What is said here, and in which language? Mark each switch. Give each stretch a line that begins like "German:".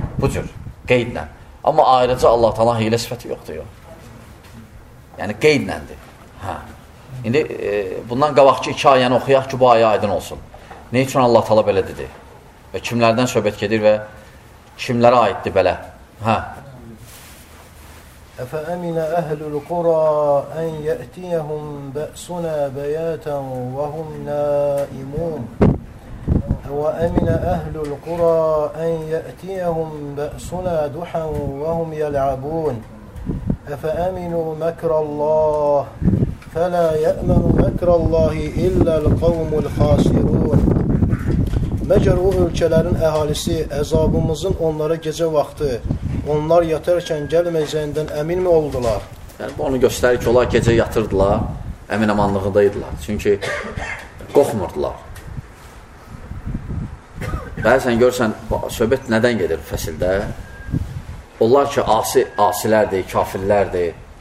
Azerbaijani: Bu cür, qeydlə. Amma ayrıca Allah Tala hilə sifəti yoxdur, yox. Yəni, qeydləndir. Hə. İndi bundan qabaq ki, iki ayəni oxuyaq ki, bu ayə aydın olsun. Nə üçün Allah Tala belə dedi? Və kimlərdən söhbət gedir və kimlərə aiddir belə? Hə.
Arabic: أفأمن أهل القرى أن يأتيهم بأسنا بياتا وهم نائمون وأمن أهل القرى أن يأتيهم بأسنا دحا وهم يلعبون أفأمنوا مكر الله فلا يأمن مكر الله إلا القوم الخاسرون
Azerbaijani: مجر ölkələrin əhalisi əzabımızın onlara gecə vaxtı onlar yatarkən gəlməyəcəyindən əmin mi oldular? Yəni, bu onu göstərir ki, onlar gecə yatırdılar, əminəmanlıqdaydılar. Çünki qorxmurdular. Bəzən görsən, söhbət nədən gedir fəsildə? Onlar ki, asilərdir, kafirlərdir.